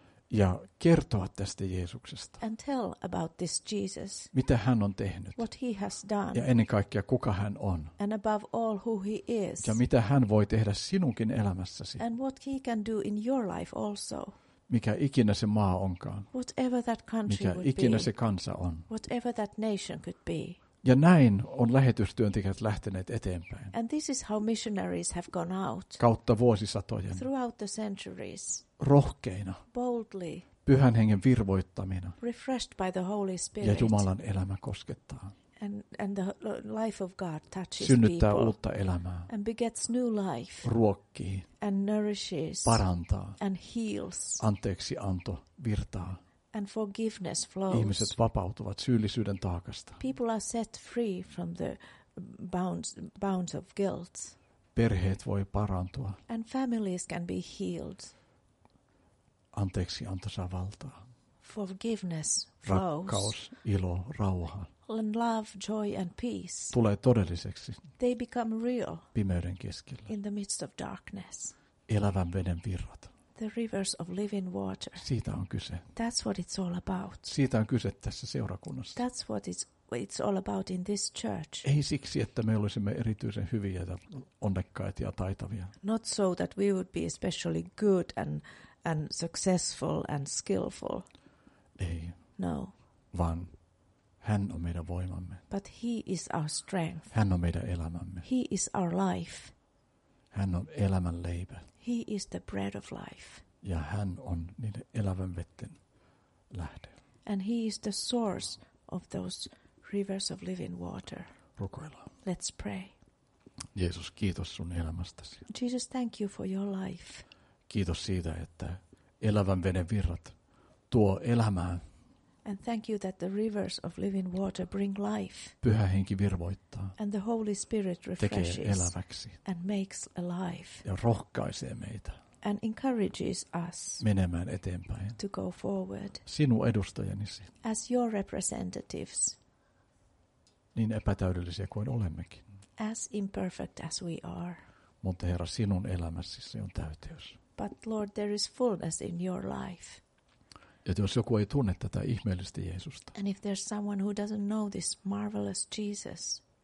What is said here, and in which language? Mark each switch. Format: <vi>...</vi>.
<fi>Ja kertoa tästä Jeesuksesta.</fi> <en>And tell about this Jesus.</en> <fi>Mitä hän on tehnyt.</fi> <en>What he has done.</en> <fi>Ja ennen kaikkea kuka hän on.</fi> <en>And above all who he is.</en> <fi>Ja mitä hän voi tehdä sinunkin elämässäsi.</fi> <en>And what he can do in your life also.</en> <fi>Mikä ikinä se maa onkaan.</fi> <en>Whatever that country</en> <fi>mikä ikinä se kansa on.</fi> <en>Whatever that nation could be.</en> <fi>Ja näin on lähetystyöntekijät lähteneet eteenpäin.</fi> <en>And this is how missionaries have gone out.</en> <fi>Kautta vuosisatojen.</fi> <en>Throughout the centuries.</en> <fi>Rohkeina.</fi> <en>Boldly.</en> <fi>Pyhän hengen virvoittamina.</fi> <en>Refreshed by the Holy Spirit.</en> <fi>Ja Jumalan elämä koskettaa.</fi> <en>And the life of God touches</en> <fi>synnyttää</fi> <en>people.</en> <fi>Uutta elämää.</fi> <en>And begets new life.</en> <fi>Ruokkii.</fi> <en>And nourishes.</en> <fi>Parantaa.</fi> <en>And heals.</en> <fi>Anteeksi anto virtaa.</fi> <en>And forgiveness flows.</en> <fi>Ihmiset vapautuvat syyllisyyden taakasta.</fi> <en>People are set free from the bounds of guilt.</en> <fi>Perheet voi parantua.</fi> <en>And families can be healed.</en> <fi>Anteeksi anto saa valtaa.</fi> <en>Forgiveness flows.</en> <fi>Rakkaus, ilo, rauha.</fi> <en>And love, joy and peace.</en> <fi>Tulee todelliseksi.</fi> <en>They become real.</en> <fi>Pimeyden keskellä.</fi> <en>In the midst of darkness.</en> <fi>Elävän veden virrat.</fi> <en>The rivers of living water.</en> <fi>Siitä on kyse.</fi> <en>That's what it's all about.</en> <fi>Siitä on kyse tässä seurakunnassa.</fi> <en>That's what it's all about in this church.</en> <fi>Ei siksi, että me olisimme erityisen hyviä ja onnekkaita ja taitavia.</fi> <en>Not so that we would be especially good and successful and skillful.</en> <fi>Ei.</fi> <en>No.</en> <fi>Vaan hän on meidän voimamme.</fi> <en>But he is our strength.</en> <fi>Hän on meidän elämämme.</fi> <en>He is our life.</en> <fi>Hän on elämän leipä.</fi> <en>He is the bread of life.</en> <fi>Ja hän on niiden elävän vetten lähde.</fi> <en>And he is the source of those rivers of living water.</en> <fi>Rukoillaan.</fi> <en>Let's pray.</en> <fi>Jeesus, kiitos sun elämästäsi.</fi> <en>Jesus, thank you for your life.</en> <fi>Kiitos siitä, että elävän veden virrat tuo elämää.</fi> <en>And thank you that the rivers of living water bring life.</en> <fi>Pyhä henki virvoittaa.</fi> <en>And the Holy Spirit refreshes.</en> <fi>Tekee eläväksi.</fi> <en>And makes alive.</en> <fi>Ja rohkaisee meitä.</fi> <en>And encourages us.</en> <fi>Menemään eteenpäin.</fi> <en>To go forward.</en> <fi>Sinun edustajanisi.</fi> <en>As your representatives.</en> <fi>Niin epätäydellisiä kuin olemmekin.</fi> <en>As imperfect as we are.</en> <fi>Mutta Herra, sinun elämässäsi on täyteys.</fi> <en>But Lord, there is fullness in your life.</en> <fi>Ja jos joku ei tunne tätä ihmeellistä Jeesusta.</fi> <en>And if there's someone who doesn't know this marvelous Jesus.</en>